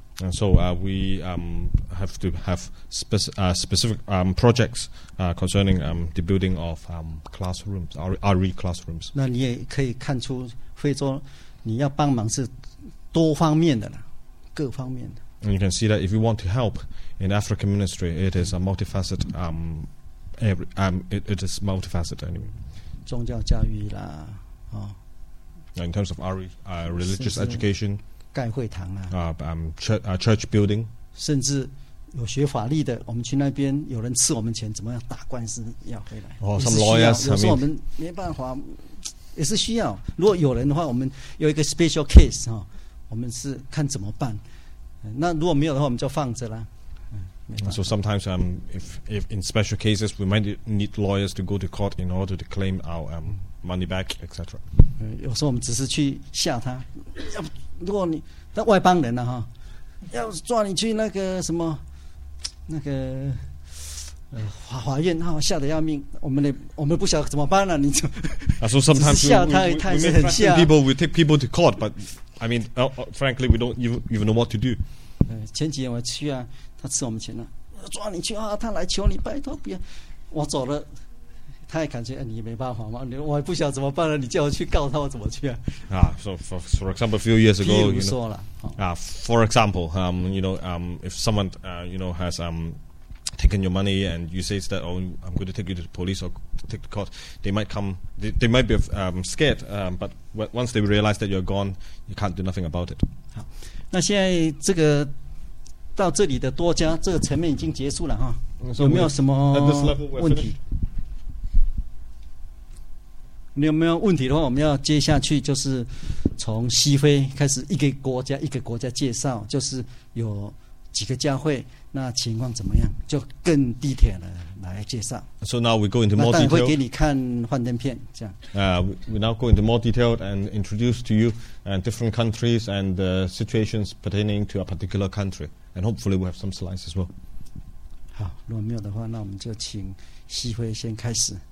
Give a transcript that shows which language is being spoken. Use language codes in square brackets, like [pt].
[en] So we have to have specific projects concerning the building of classrooms, RE classrooms. [zh] 那你也可以看出，非洲你要帮忙是多方面的了，各方面的。 [en] And you can see that if you want to help in African ministry, it is a multifaceted. It is multifaceted anyway. [zh] 宗教教育啦， [en] 哦。In terms of our religious education， [zh] 盖会堂啊， [en] church building， [zh] 甚至有学法律的，我们去那边有人吃我们钱，怎么样打官司要回来？哦，什么 lawyers？有时候我们没办法，也是需要。如果有人的话，我们有一个 [en] special case [zh] 哈，我们是看怎么办。那如果没有的话，我们就放着啦。 [en] So sometimes, if in special cases, we might need lawyers to go to court in order to claim our money back, etc. [zh] 有时候我们只是去吓他。要不，如果你那外邦人呢、啊、哈，要抓你去那个什么那个法院，哈，吓得要命。我们不晓得怎么办了、啊，你就。 [en] So sometimes [zh] 吓他，他也是很吓。 [en] We take people to court, but I mean, frankly, we don't even know what to do. [zh] 前几天我去啊。他吃我们钱了，抓你去啊！他来求你，拜托别，我走了，他也感觉、哎、你没办法嘛，我还不晓得怎么办了，你叫我去告他，我怎么去啊？ [en] 啊、so for example, a few years ago, you know, for example, you know, if someone you know has taken your money and you say that, oh, I'm going to take you to the police or take the court, they might come, they might be scared, but once they realize that you're gone, you can't do nothing about it. [zh] 好，那现在这个。到这里的多加这个层面已经结束了哈，有没有什么问题？你有没有问题的话，我们要接下去就是从西非开始，一个国家一个国家介绍，就是有几个教会，那情况怎么样，就更地铁了来介绍。 [en] So now we go into more detail. [zh] 那会给你看幻灯片这样。 [en] We now go into more detail and introduce to you and different countries and the situations pertaining to a particular country. And hopefully we'll have some slides as well. [zh] 好，如果没有的话，那我们就请西非先开始。